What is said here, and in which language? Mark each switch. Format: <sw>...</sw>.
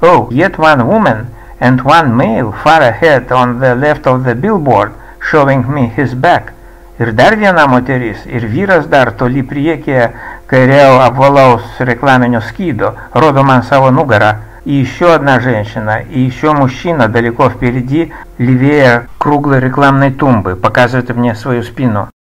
<en>Yet one woman and one male far ahead on the left of the billboard showing me his back.</en> <lt>Ir dar viena moteris, ir vyras dar toli priekyje kairiau apvalaus reklaminio skydo, rodo man savo nugarą.</lt> <ru>И еще одна женщина, и еще мужчина далеко впереди, левее круглой рекламной тумбы, показывает мне свою спину.</ru>